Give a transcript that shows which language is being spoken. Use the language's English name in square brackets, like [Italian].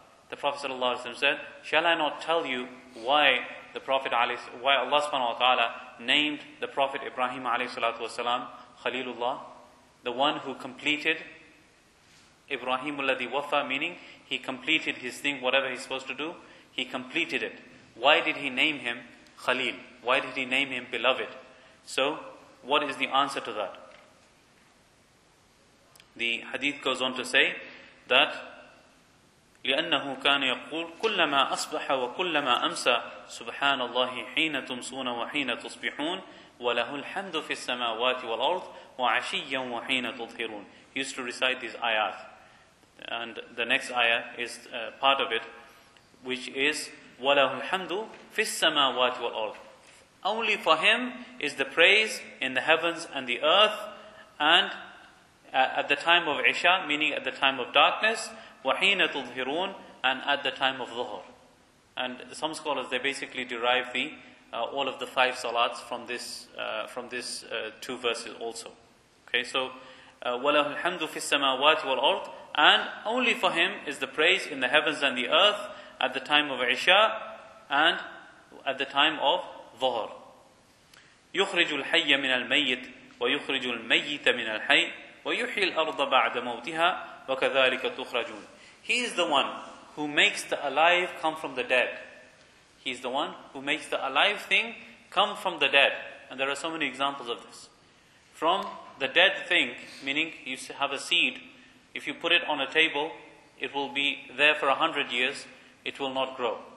[English] The Prophet sallallahu alaihi wasallam said, shall I not tell you why the Prophet why Allah subhanahu wa ta'ala named the Prophet Ibrahim alayhi salatu wasalam Khalilullah, the one who completed Ibrahim [Arabic] الَّذِي وَفَى, [English] meaning he completed his thing, whatever he's supposed to do, he completed it. Why did he name him Khalil? Why did he name him beloved? So what is the answer to that? The hadith goes on to say that [Arabic] لأنه كان يقول كلما أصبح وكلما أمسى سبحان الله حين تمسون وحين تصبحون وله الحمد في السماوات والأرض وعشيا وحين تظهرون. [English] He used to recite these ayat, and the next ayah is part of it, which is [Arabic] وله الحمد في السماوات والأرض. [English] Only for him is the praise in the heavens and the earth, and at the time of Isha, meaning at the time of darkness, [Arabic] وَحِينَ تُظْهِرُونَ, [English] and at the time of Dhuhr. And some scholars, they basically derive the all of the five salats from this two verses also. Okay, so [Arabic] وَلَهُ الْحَمْدُ فِي السَّمَاوَاتِ وَالْأَرْضِ, [English] and only for him is the praise in the heavens and the earth at the time of Isha and at the time of Dhuhr. [Arabic] يخرج الحي من الميت ويخرج الميت من الحي ويحيي الأرض بعد موتها وكذلك تخرجون. [English] He is the one who makes the alive come from the dead. He is the one who makes the alive thing come from the dead. And there are so many examples of this. From the dead thing, meaning you have a seed, if you put it on a table, it will be there for 100 years, it will not grow.